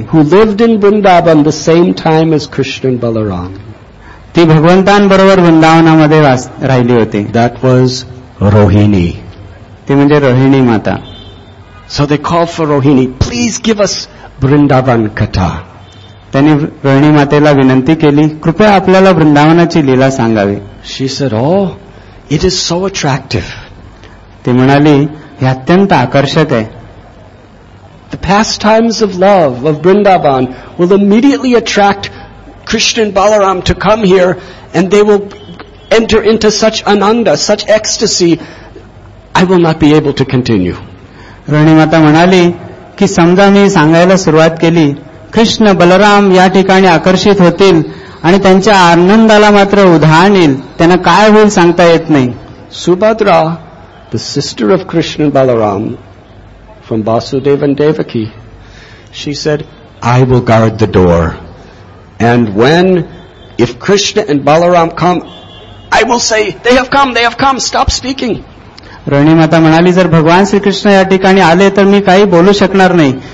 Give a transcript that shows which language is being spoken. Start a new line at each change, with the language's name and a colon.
English: who lived in Vrindavan the same time as Krishna and Balaram.
Marathi: Ti bhagavantan barobar vrindavanamade rahili hoti.
English: That was Rohini.
Marathi: ते म्हणजे रोहिणी माता.
English: So they called for Rohini, please give us Vrindavan katha.
Marathi: त्यांनी रोहिणी मातेला विनंती केली, कृपया आपल्याला वृंदावनाची लीला सांगावी.
English: She said, oh, it is so attractive.
Marathi: ती म्हणाली, हे अत्यंत आकर्षक आहे.
English: The pastimes of love of Vrindavan will immediately attract Krishna and Balaram to come here, and they will enter into such ananda, such ecstasy, I will not be able to continue.
Marathi: Rohini माता म्हणाली की समजा मी सांगायला सुरुवात केली, कृष्ण बलराम या ठिकाणी आकर्षित होतील आणि त्यांच्या आनंदाला मात्र उधाण येईल, त्यांना काय होईल सांगता येत नाही.
English: Subhadra, the sister of Krishna Balaram from Vasudev and Devaki, she said, I will guard the door and when if Krishna and Balaram come I will say they have come stop speaking.
Marathi: Rohini माता म्हणाली, जर भगवान श्रीकृष्ण या ठिकाणी आले तर मी काही बोलू शकणार नाही.